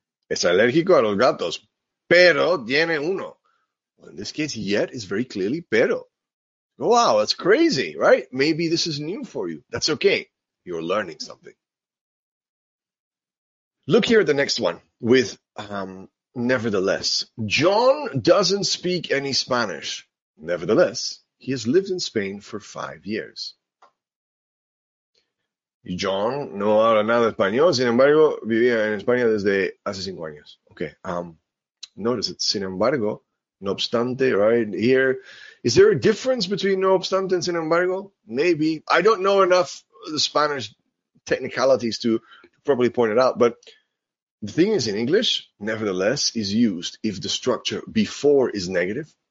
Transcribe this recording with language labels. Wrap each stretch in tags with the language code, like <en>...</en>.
<es>Es alérgico a los gatos, pero tiene uno.</es> <en>Well, in this case, yet is very clearly pero. Wow, that's crazy, right? Maybe this is new for you. That's okay. You're learning something. Look here at the next one with nevertheless. John doesn't speak any Spanish. Nevertheless, he has lived in Spain for 5 years.</en> <es>John no habla nada español. Sin embargo, vivía en España desde hace 5 años.</es> <en>Okay. Notice it.</en> <es>Sin embargo, no obstante,</es> <en>right here. Is there a difference between no obstante and sin embargo? Maybe. I don't know enough the Spanish technicalities to properly point it out. But the thing is, in English, nevertheless is used if the structure before is negative.</en>